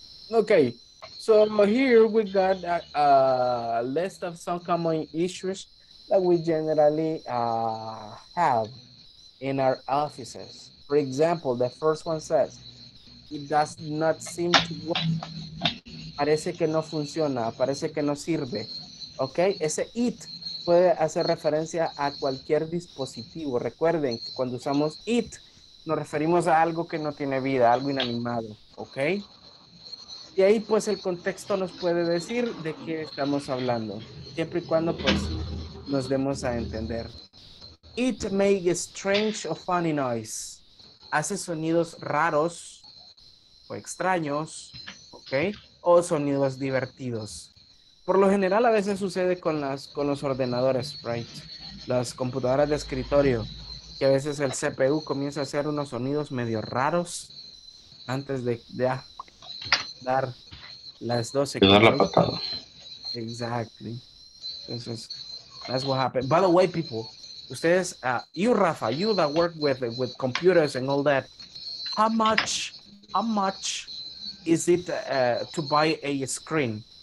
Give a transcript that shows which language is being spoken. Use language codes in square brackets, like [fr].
[en] Okay, so here we got a list of some common issues that we generally have in our offices. For example, the first one says, it does not seem to work. [es] Parece que no funciona, parece que no sirve. Okay, ese it puede hacer referencia a cualquier dispositivo. Recuerden que cuando usamos it, nos referimos a algo que no tiene vida, algo inanimado. Okay. Y ahí, pues, el contexto nos puede decir de qué estamos hablando. Siempre y cuando, pues, nos demos a entender. [en] It makes strange or funny noise. [es] Hace sonidos raros o extraños, ¿ok? O sonidos divertidos. Por lo general, a veces sucede con los ordenadores, [en] right? [es] Las computadoras de escritorio, que a veces el CPU comienza a hacer unos sonidos medio raros antes de dar las 12. Dar la patada. [en] Exactly. [es] Entonces, [en] that's what happened. By the way, people, [es] ustedes, [en] you Rafa, you that work with computers and all that, how much is it to buy a screen?